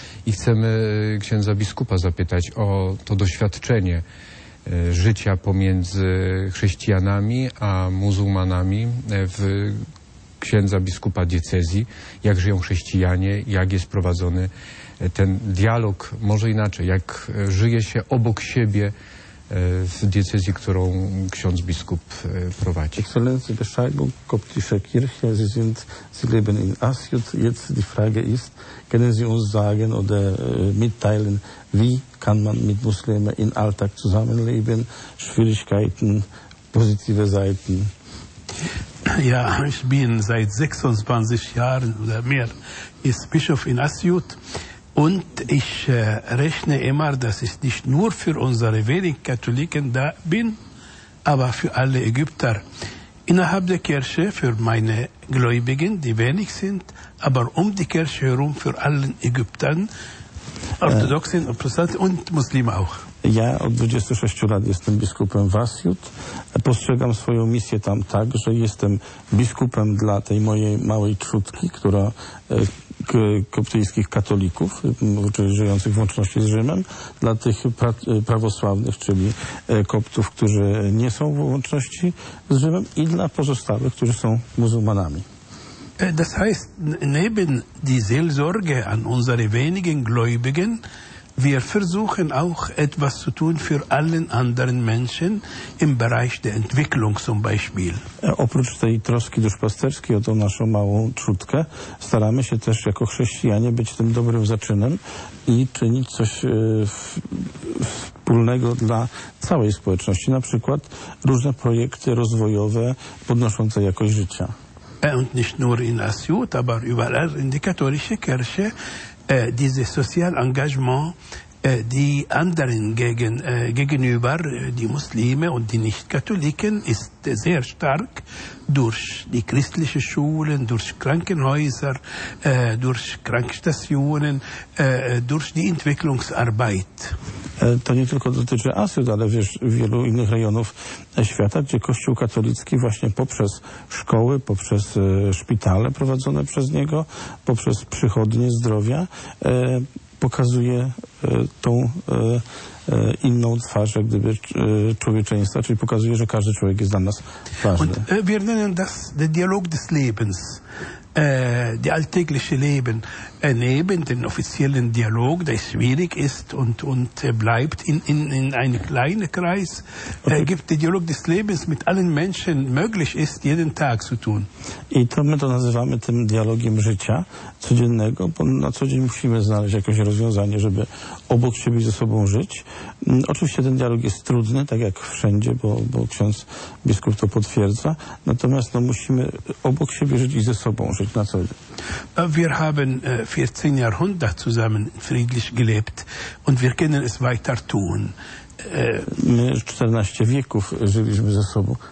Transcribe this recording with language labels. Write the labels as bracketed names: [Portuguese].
[Polish] I chcemy księdza biskupa zapytać o to doświadczenie życia pomiędzy chrześcijanami a muzułmanami w księdza biskupa diecezji. Jak żyją chrześcijanie, jak jest prowadzony ten dialog, może inaczej, jak żyje się obok siebie w diecezji, którą ksiądz biskup prowadzi. [German] Excellency Beschreibung, koptische Kirche, Sie sind, Sie leben in Asyut. Jetzt die Frage ist, können Sie uns sagen oder mitteilen, wie kann man mit Muslimen in Alltag zusammenleben, Schwierigkeiten, positive Seiten? Ja, ich bin seit 26 Jahren oder mehr ist Bischof in Asyut. Und ich rechne immer, dass ich nicht nur für unsere wenigen Katholiken da bin, aber für alle Ägypter. Innerhalb der Kirche, für meine Gläubigen, die wenig sind, aber um die Kirche herum, für alle Ägyptern, Orthodoxen und Protestanten und Muslime auch. [Polish] Ja od 26 lat jestem biskupem w Asyut. Postrzegam swoją misję tam tak, że jestem biskupem dla tej mojej małej trzutki, która koptyjskich katolików, czyli żyjących w łączności z Rzymem, dla tych prawosławnych, czyli koptów, którzy nie są w łączności z Rzymem i dla pozostałych, którzy są muzułmanami. [German] Das heißt, neben die Seelsorge an unsere wenigen Gläubigen, wir versuchen auch etwas zu tun für allen anderen Menschen im Bereich der Entwicklung zum Beispiel. [Polish] Oprócz tej troski duszpasterskiej o tą naszą małą trzutkę, staramy się też jako chrześcijanie być tym dobrym zaczynem i czynić coś wspólnego dla całej społeczności, na przykład różne projekty rozwojowe podnoszące jakość życia. [German] und nicht nur in Assyut, aber überall in die katholische Kirche, dieses soziale Engagement, die anderen gegenüber, die Muslime und die Nicht-Katholiken, ist sehr stark durch die christlichen Schulen, durch Krankenhäuser, durch Krankenstationen, durch die Entwicklungsarbeit. [Polish] To nie tylko dotyczy Asyut, ale wiesz, wielu innych rejonów świata, gdzie Kościół katolicki właśnie poprzez szkoły, poprzez szpitale prowadzone przez niego, poprzez przychodnie zdrowia, pokazuje tą inną twarz, jak gdyby człowieczeństwa, czyli pokazuje, że każdy człowiek jest dla nas ważny. [German] Und wir nennen das den Dialog des Lebens, die alltägliche Leben, neben den offiziellen Dialog, der schwierig ist und bleibt in einem kleinen Kreis, gibt der Dialog des Lebens mit allen Menschen möglich ist, jeden Tag zu tun. [Polish] I to my to nazywamy tym dialogiem życia codziennego, bo na co dzień musimy znaleźć jakieś rozwiązanie, żeby obok siebie ze sobą żyć. Oczywiście ten dialog jest trudny, tak jak wszędzie, bo ksiądz biskup to potwierdza. Natomiast no, musimy obok siebie żyć i ze sobą żyć na co dzień. [German] Wir haben 14 Jahrhunderte zusammen friedlich gelebt und wir können es weiter tun. [Polish] My 14 wieków żyliśmy ze sobą.